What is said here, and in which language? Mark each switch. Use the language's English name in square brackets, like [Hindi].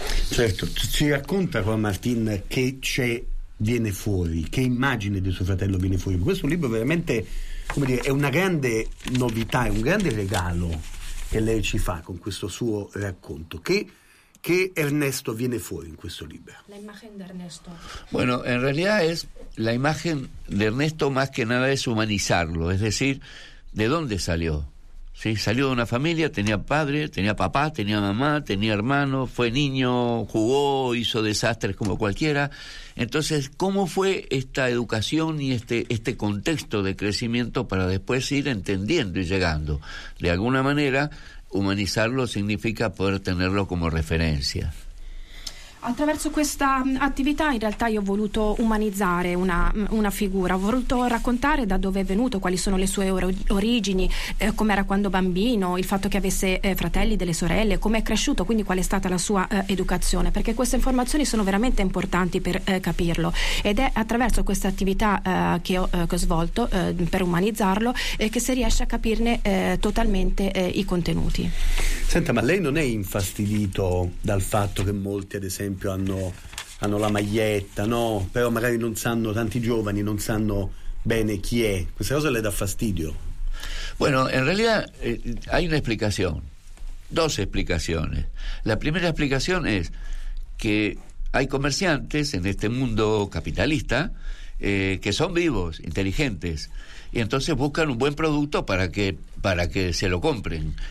[Italian] Certo, ci racconta Juan Martín che c'è, viene fuori, che immagine di suo fratello viene fuori. Questo libro veramente, come dire, è una grande novità, è un grande regalo che lei ci fa con questo suo racconto. Che Ernesto viene fuori in questo libro? [Spanish] La imagen de Ernesto. Bueno, en realidad es la imagen de Ernesto, más que nada es humanizarlo, es decir, de dónde salió. Sí, salió de una familia, tenía padre, tenía papá, tenía mamá, tenía hermano, fue niño, jugó, hizo desastres como cualquiera. Entonces, ¿cómo fue esta educación y este contexto de crecimiento para después ir entendiendo y llegando? De alguna manera, humanizarlo significa poder tenerlo como referencia. [Italian] Attraverso questa attività in realtà io ho voluto umanizzare una figura, ho voluto raccontare da dove è venuto, quali sono le sue origini, com'era quando bambino, il fatto che avesse fratelli, delle sorelle, come è cresciuto, quindi qual è stata la sua educazione, perché queste informazioni sono veramente importanti per capirlo. Ed è attraverso questa attività che ho svolto per umanizzarlo che si riesce a capirne totalmente i contenuti. Senta, ma lei non è infastidito dal fatto che molti, ad esempio, hanno la maglietta, no? Però magari non sanno, tanti giovani non sanno bene chi è. Questa cosa le dà fastidio? [Spanish] Bueno, en realidad hay una explicación, dos explicaciones. La primera explicación es que hay comerciantes en este mundo capitalista que son vivos, inteligentes, y entonces buscan un buen producto para que se lo compren.